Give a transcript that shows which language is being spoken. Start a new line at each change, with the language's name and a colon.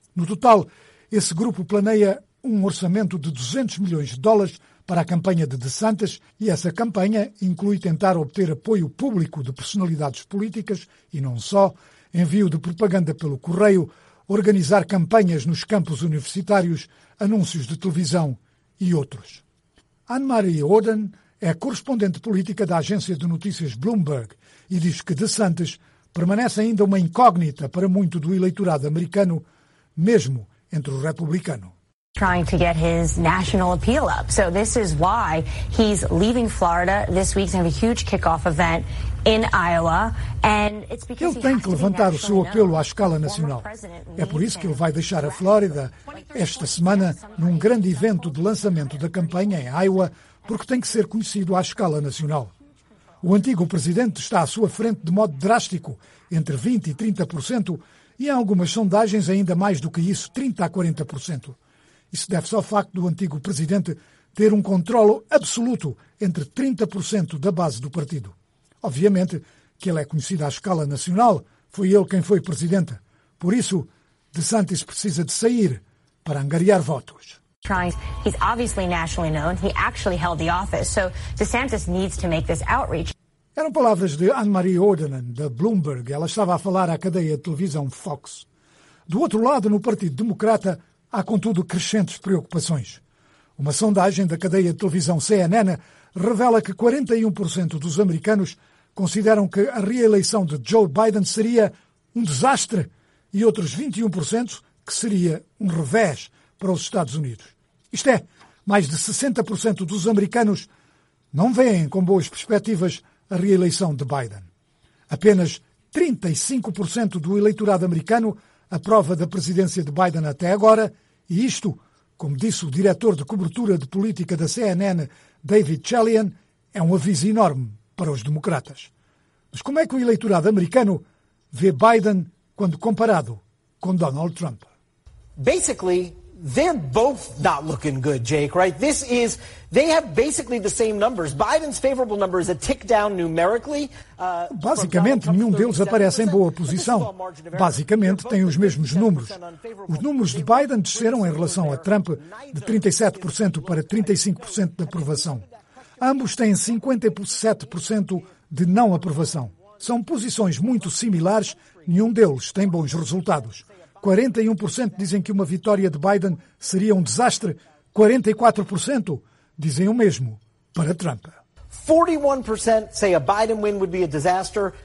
Portuguese: No total, esse grupo planeia um orçamento de $200 milhões para a campanha de DeSantis, e essa campanha inclui tentar obter apoio público de personalidades políticas e não só, envio de propaganda pelo correio, organizar campanhas nos campos universitários, anúncios de televisão e outros. Anne-Marie Oden é correspondente política da agência de notícias Bloomberg e diz que DeSantis permanece ainda uma incógnita para muito do eleitorado americano, mesmo entre o republicano.
English: Trying to get his national appeal up. So this is why he's leaving Florida this week. They have a huge kickoff event in Iowa, and it's because
Portuguese: ele tem que levantar o seu apelo à escala nacional. É por isso que ele vai deixar a Flórida esta semana num grande evento de lançamento da campanha em Iowa, porque tem que ser conhecido à escala nacional. O antigo presidente está à sua frente de modo drástico, entre 20% e 30%, e em algumas sondagens ainda mais do que isso, 30% a 40%. Isso deve-se ao facto do antigo presidente ter um controlo absoluto entre 30% da base do partido. Obviamente que ele é conhecido à escala nacional, foi ele quem foi presidente. Por isso, De Santis precisa de sair para angariar votos.
English: He's obviously nationally known. He actually held the office, so De Santis needs to make this outreach.
Portuguese: Eram palavras de Anne-Marie Ordonen, da Bloomberg. Ela estava a falar à cadeia de televisão Fox. Do outro lado, no Partido Democrata, há, contudo, crescentes preocupações. Uma sondagem da cadeia de televisão CNN revela que 41% dos americanos consideram que a reeleição de Joe Biden seria um desastre e outros 21% que seria um revés para os Estados Unidos. Isto é, mais de 60% dos americanos não veem com boas perspectivas a reeleição de Biden. Apenas 35% do eleitorado americano aprova da presidência de Biden até agora, e isto, como disse o diretor de cobertura de política da CNN, David Chalian, é um aviso enorme para os democratas. Mas como é que o eleitorado americano vê Biden quando comparado com Donald Trump?
English: Basically, they're both not looking good, Jake, right? This is, they have basically the same numbers. Biden's favorable number is a tick down numerically.
Portuguese: Basicamente, nenhum deles aparece em boa posição. Basicamente, têm os mesmos números. Os números de Biden desceram em relação a Trump de 37% para 35% de aprovação. Ambos têm 57% de não aprovação. São posições muito similares. Nenhum deles tem bons resultados. 41% dizem que uma vitória de Biden seria um desastre. 44% dizem o mesmo para Trump.
English: 41% say a Biden win would be a disaster.